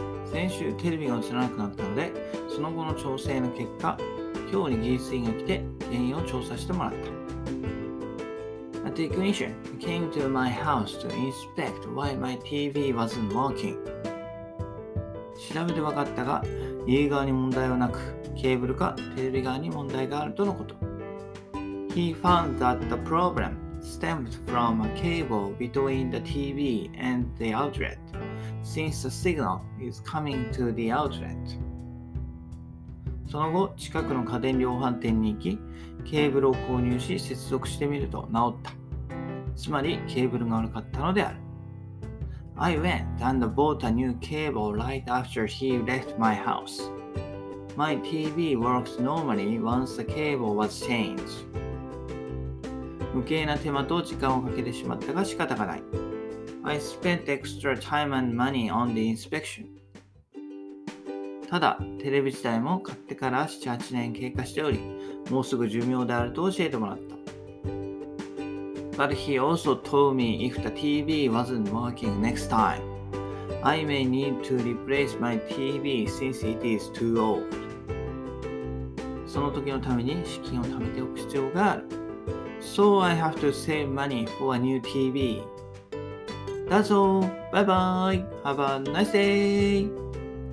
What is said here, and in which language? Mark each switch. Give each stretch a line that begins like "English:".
Japanese: 先週テレビが映らなくなったので、その後の調整の結果、今日に技術員が来て原因を調査してもらった。
English: A technician came to my house to inspect why my TV wasn't working.
Japanese: 調べて分かったが、家側に問題はなく、ケーブルかテレビ側に問題があるとのこと。
English: He found that the problem stemmed from a cable between the TV and the outlet, since the signal is coming to the outlet.
Japanese: その後、近くの家電量販店に行き、ケーブルを購入し接続してみると直った。つまり、ケーブルが悪かったのである。
English: I went and bought a new cable right after he left my house. My TV works normally once the cable was changed.
Japanese: 無形な手間と時間をかけてしまったが仕方がない。
English: I spent extra time and money on the inspection.
Japanese: ただ、テレビ自体も買ってから7、8年経過しており、もうすぐ寿命であると教えてもらった。
English: But he also told me if the TV wasn't working next time, I may need to replace my TV since it is too old.
Japanese: その時のために資金を貯めておく必要がある。
English: So I have to save money for a new TV. That's all. Bye bye. Have a nice day.